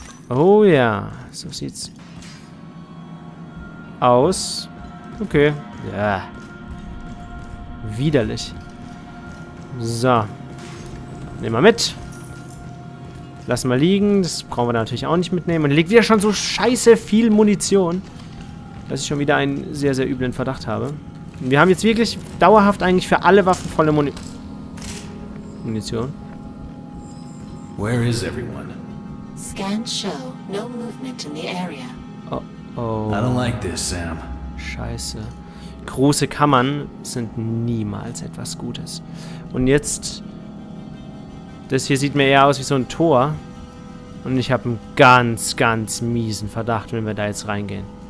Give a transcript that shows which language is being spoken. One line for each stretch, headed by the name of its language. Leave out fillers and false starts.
German: Oh ja, so sieht's aus. Okay. Ja. Widerlich. So. Nehmen wir mit. Lass mal liegen. Das brauchen wir da natürlich auch nicht mitnehmen. Und liegt wieder schon so scheiße viel Munition, dass ich schon wieder einen sehr, sehr üblen Verdacht habe. Und wir haben jetzt wirklich dauerhaft eigentlich für alle Waffen volle Munition.
English: Where is everyone? Scans show no movement in the area. Oh. I don't like this, Sam.
German: Scheiße. Große Kammern sind niemals etwas Gutes. Und jetzt. Das hier sieht mir eher aus wie so ein Tor. Und ich habe einen ganz, ganz miesen Verdacht, wenn wir da jetzt reingehen.